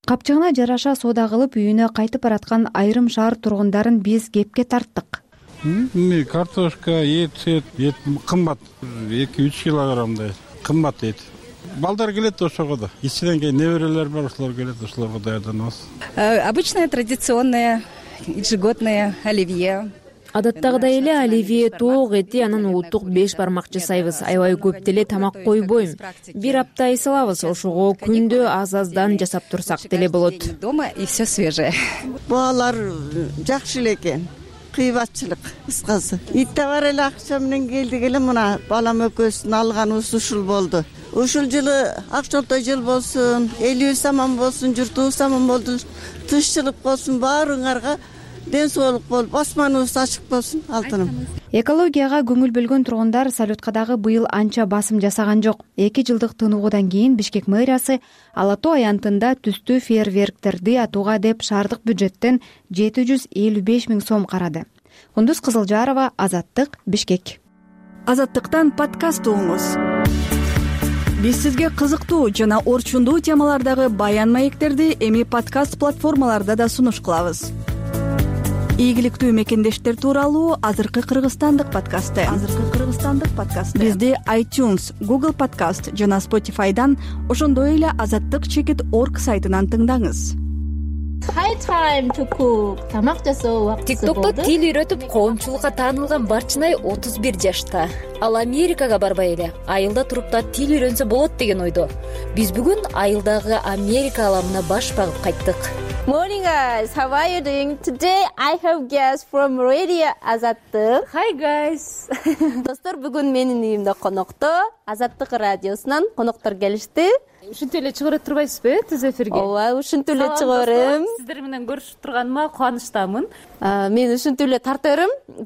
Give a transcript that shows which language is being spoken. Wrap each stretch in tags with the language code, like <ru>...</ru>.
<ky>Капчыгына жараша соода кылып үйүнө кайтып бараткан айрым шаар тургундарын биз кепке тарттык. Эми картошка, эт кымбат, 2-3 килограммдай кымбат эт. Балдар келет ошого да, ичинен кийин неберелер бар, ошолор келет, ошолорго даярданабыз.</ky> <ru>Обычное традиционное ежегодное оливье.</ru> <ky>Адаттагыдай эле оливье, тоок эти, анан улуттук беш бармакчы сайбыз. Аябай көп деле тамак койбойм. Бир апта эсалабыз, ошого күндө аз-аздан жасап турсак деле болот.</ky> <ru>Дома и все свежее.</ru> <ky>Баалар жакшы эле экен. кыйбатчылык кыскасы. Ит товар эле акча менен келдик эле мына балам экөөсүн алганыбыз ушул болду. Ушул жылы ак жолтой жыл болсун, элибиз аман болсун, журтубуз аман болду, тынччылык болсун, баарыңарга ден соолук болуп, асманыбыз ачык болсун, алтыным. Экологияга көңүл бөлгөн тургундар салютка дагы быйыл анча басым жасаган жок. Эки жылдык тыныгуудан кийин Бишкек мэриясы Ала Тоо аянтында түстүү фейерверктерди атууга деп шаардык бюджеттен 755,000 сом карады. Кундуз Кызылжарова, Азаттык, Бишкек. Азаттыктан подкаст угуңуз. Биз сизге кызыктуу жана орчундуу темалардагы баян маектерди эми подкаст платформаларда да сунуш кылабыз. Ийгиликтүү мекендештер тууралуу азыркы кыргызстандык подкасты. Бизди iTunes, Google Podcast жана Spotify'дан, ошондой эле азаттык чекит орг сайтынан тыңдаңыз.</ky> <en>High time to cook.</en> <ky>Тамак жасоо убактысы болду. TikTokто тил үйрөтүп коомчулукка таанылган Барчынай 31 жашта. Ал Америкага барбай эле, айылда туруп да тил үйрөнсө болот деген ойдо. Биз бүгүн айылдагы Америка аламына баш багып кайттык.</ky> <en>Morning guys, how are you doing? Today I have guests from Radio Azattık. Hi guys.</en> <ky>Достор, бүгүн менин үйүмдө конокто, Азаттык радиосунан коноктор келишти. Ушинтип эле чыгарып турбайсызбы түз эфирге? Ооба, ушинтип эле чыгарым. Сиздер менен көрүшүп турганыма кубанычтамын. Мен ушинтип эле тарта берем.</ky>